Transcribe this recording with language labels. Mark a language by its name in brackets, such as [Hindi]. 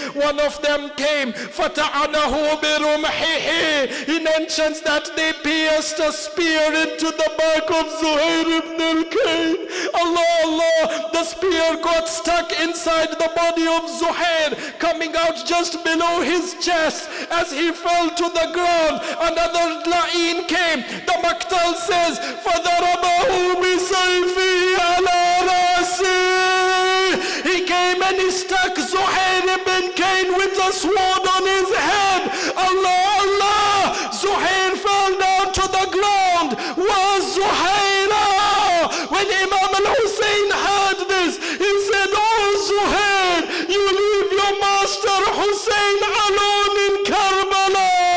[English] One of them came, [Arabic] fata'anahu birumhihi. [English] He mentions that they pierced a spear into the back of Zuhayr. Zuhayr Ibn Al-Qayn. Allah, Allah, the spear got stuck inside the body of Zuhayr, coming out just below his chest. As he fell to the ground, another la'een came. The Maktal says, [Arabic] فَذَرَبَهُ بِسَيْفِهِ عَلَىٰ رَأْسِهِ. [English] He came and he stuck Zuhayr Ibn Al-Qayn with a sword on his head. Allah, Allah, Zuhayr fell down to the ground. Was Zuhayr? When Imam Hussein heard this, he said, oh Zuhayr, you leave your master Hussein alone in Karbala.